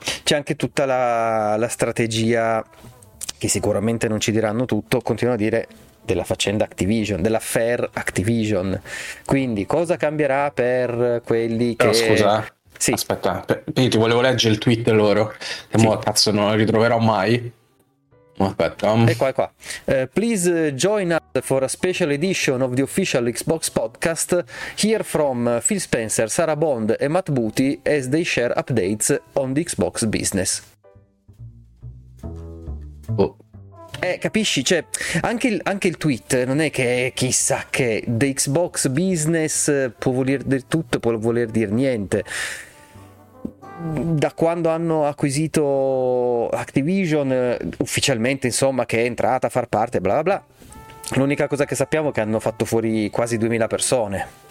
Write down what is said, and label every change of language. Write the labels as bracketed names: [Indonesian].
[Italian] C'è anche tutta la strategia, che sicuramente non ci diranno tutto, continuo a dire, della faccenda Activision, della fair Activision, quindi cosa cambierà per quelli che... Però scusa, sì. Aspetta, ti volevo leggere il tweet loro, che sì. Mo cazzo non lo ritroverò mai. Aspetta. E qua. [English] Please join us for a special edition of the official Xbox podcast here from Phil Spencer, Sarah Bond e Matt Booty as they share updates on the Xbox business. Oh. [Italian] Capisci? Cioè, anche il tweet non è che è chissà che [English] the Xbox business [Italian] può voler dire tutto, può voler dire niente. Da quando hanno acquisito Activision ufficialmente, insomma, che è entrata a far parte, bla bla bla, l'unica cosa che sappiamo è che hanno fatto fuori quasi 2000 persone.